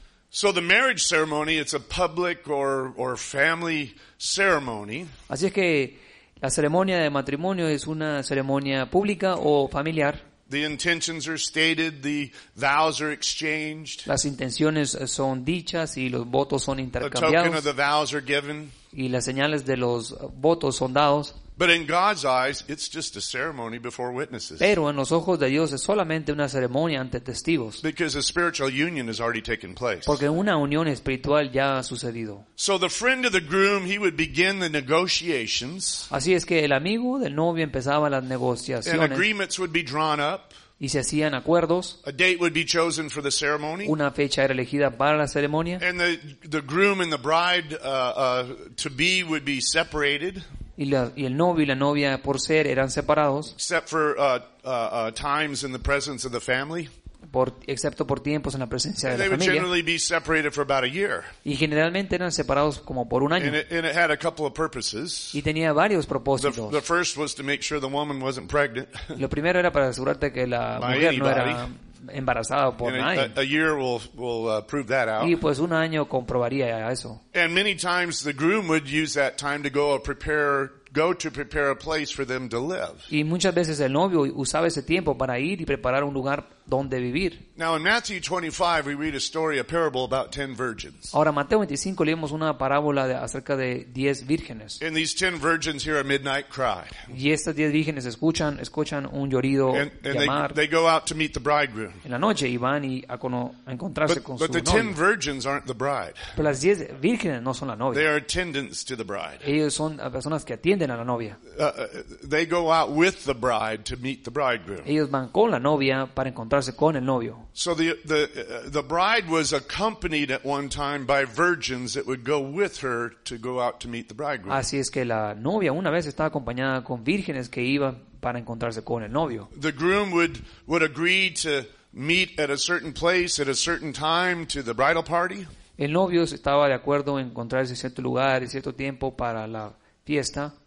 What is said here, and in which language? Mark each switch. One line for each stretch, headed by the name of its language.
English: So the marriage ceremony, it's a public or family ceremony.
Spanish: Así es que la ceremonia de matrimonio es una ceremonia pública o familiar.
English: The intentions are stated, the vows are exchanged.
Spanish: Las intenciones son dichas y los votos son intercambiados.
English: The token of the vows are given.
Spanish: Y las señales de los votos son dados.
English: But in God's eyes, it's just a ceremony before witnesses.
Spanish: Pero en los ojos de Dios es solamente una ceremonia ante testigos.
English: Because a spiritual union has already taken place.
Spanish: Porque una unión espiritual ya ha sucedido.
English: So the friend of the groom, he would begin the negotiations.
Spanish: Así es que el amigo del novio empezaba las negociaciones.
English: And agreements would be drawn up.
Spanish: Y se hacían acuerdos.
English: A date would be chosen for the ceremony.
Spanish: Una fecha era elegida para la ceremonia.
English: And the groom and the bride to be would be separated.
Spanish: Y el novio y la novia por ser eran separados.
English: Except for times in the presence of the family.
Spanish: Excepto por tiempos en la presencia de la familia.
English: They would generally be separated for about a year.
Spanish: Y generalmente eran separados como por un año.
English: And it had a couple of purposes.
Spanish: Y tenía varios propósitos.
English: The first was to make sure the woman wasn't pregnant.
Spanish: Lo primero era para asegurarte que la mujer no era embarazada por nadie.
English: A year will prove that out.
Spanish: Y pues un año comprobaría eso.
English: And many times the groom would use that time to go to prepare a place for them to live.
Spanish: Y muchas veces el novio usaba ese tiempo para ir y preparar un lugar donde vivir.
English: Now in Matthew 25 we read a story, a parable about 10 virgins.
Spanish: Ahora Mateo 25 leemos una parábola acerca de 10 vírgenes.
English: And these 10 virgins hear a midnight cry.
Spanish: Y estas 10 vírgenes escuchan un llorido llamar.
English: They go out to meet the bridegroom.
Spanish: En la noche y van a encontrarse con su novio.
English: But the 10 virgins aren't the bride.
Spanish: Pero las 10 vírgenes no son la novia.
English: They are attendants to the bride.
Spanish: Ellos son personas que atienden a la novia.
English: They go out with the bride to meet the bridegroom.
Spanish: Ellos van con la novia para encontrarse con el novio.
English: So the bride was accompanied at one time by virgins that would go with her to go out to meet the bridegroom.
Spanish: Así es que la novia una vez estaba acompañada con vírgenes que iban para encontrarse con el novio.
English: The groom would agree to meet at a certain place at a certain time to the bridal party.
Spanish: El novio estaba de acuerdo en encontrarse en cierto lugar y cierto tiempo para la fiesta.